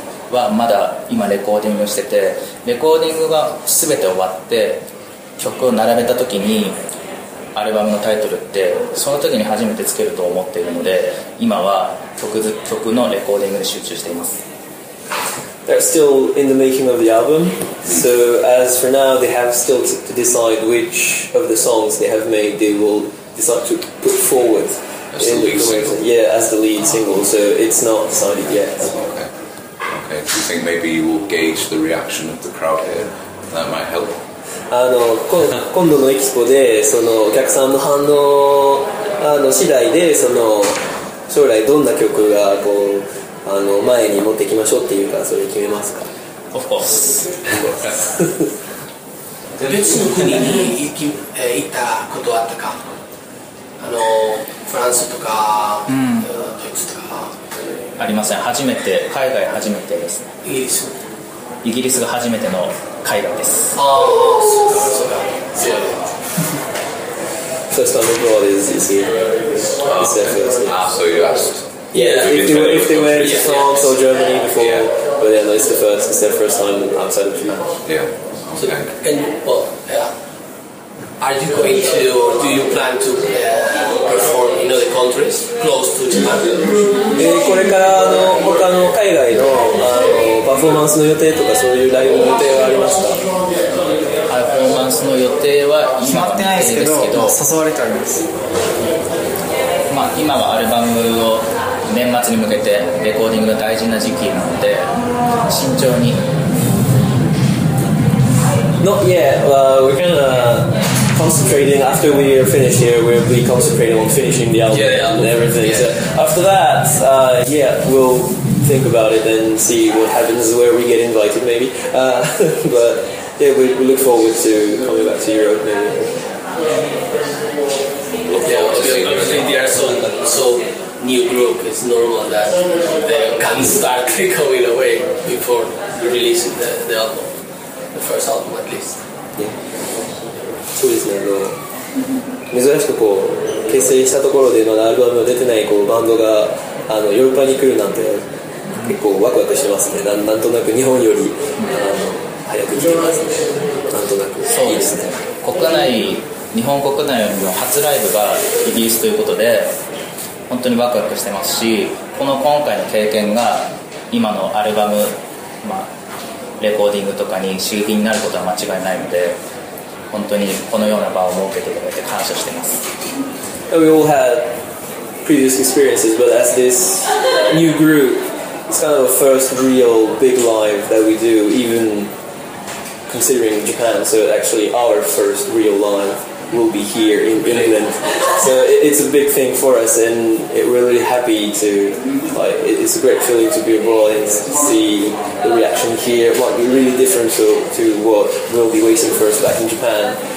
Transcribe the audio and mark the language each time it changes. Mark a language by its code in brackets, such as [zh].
[ja] はまだ今レコーディングをしてて、レコーディングが全て終わって、曲を並べた時に、アルバムのタイトルってその時に初めてつけると思っているので今は 曲のレコーディングに集中しています。 [en] They're still in the making of the album, so as for now they have still to decide which of the songs they have made they will decide to put forward as the lead single. Yeah, as the lead single, so it's not decided yet. Okay. Do you think maybe you will gauge the reaction of the crowd here? That might help. [ja] 今度のエキスポでそのお客さんの反応次第でその将来どんな曲がこう前に持ってきましょうっていうかそれ決めますか？別の国に行ったことあったか？フランスとか、うん、ドイツとかありません。初めて海外初めてですね。イギリス、イギリスが初めての海外です。ああ、そうか、そうか。 [en] First time abroad is this year. Ah, so you asked. Yeah, if they were in France or Germany before, but yeah, no, it's the first. It's their first time outside of Japan. Yeah. And well, yeah. Are you going to, or do you plan to perform in other countries close to Japan? [ja] これから他の海外のパフォーマンスの予定とかそういうライブの予定はありますか？パフォーマンスの予定は決まってないですけど、誘われてあります。まあ今はアルバムを年末に向けてレコーディングが大事な時期なので慎重に。 [en] Not yet. We're gonna concentrating after we are finished here. We'll be concentrating on finishing the album and everything. Yeah. So after that, we'll. Think about it and see what happens where we get invited, maybe. But yeah, we look forward to coming back to Europe. Maybe. Yeah, they are so new group. It's normal that they can start going away before you release the album, the first album at least. Yeah. [ja] そうですね。珍しくこう結成したところでまだアルバムが出てないこうバンドがヨーロッパに来るなんて。結構ワクワクしてますね。なんとなく日本より早く行けますね。なんとなくそうですね。国内、日本国内よりも初ライブがイギリスということで本当にワクワクしてますし、この今回の経験が今のアルバム、まあ、レコーディングとかに刺激になることは間違いないので、本当にこのような場を設けていただいて感謝しています。 [en] We all had previous experiences, but as this new groupIt's kind of the first real big live that we do, even considering Japan, so actually our first real live. will be here in England. So it's a big thing for us, and we're really happy to, like, it's a great feeling to be abroad and see the reaction here, what be really different to what we'll be waiting for us back in Japan.